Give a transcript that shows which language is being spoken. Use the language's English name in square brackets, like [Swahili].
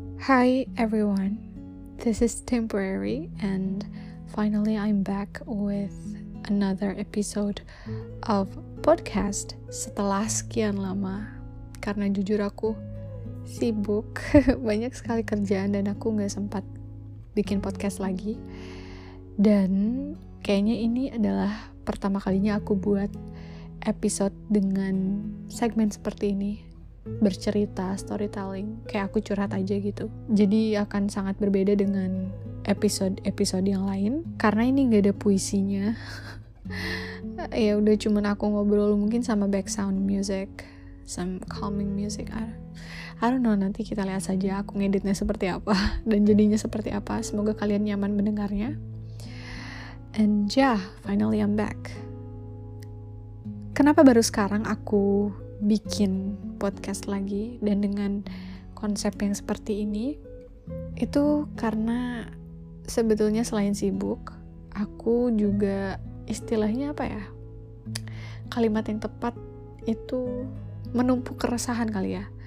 [English] Hi everyone, this is Temporary and finally I'm back with another episode of podcast [Indonesian] setelah sekian lama. Karena jujur aku sibuk, banyak sekali kerjaan dan aku gak sempat bikin podcast lagi. Dan kayaknya ini adalah pertama kalinya aku buat episode dengan segmen seperti ini. Bercerita, storytelling, kayak aku curhat aja gitu. Jadi akan sangat berbeda dengan episode-episode yang lain karena ini gak ada puisinya. Ya udah, cuman aku ngobrol mungkin sama background music, [English] some calming music. I don't know, [Indonesian] nanti kita lihat saja aku ngeditnya seperti apa dan jadinya seperti apa. Semoga kalian nyaman mendengarnya. [English] And yeah, finally I'm back. [Indonesian] Kenapa baru sekarang aku bikin podcast lagi dan dengan konsep yang seperti ini? Itu karena sebetulnya selain sibuk, aku juga, istilahnya apa ya, kalimat yang tepat itu menumpuk keresahan kali ya.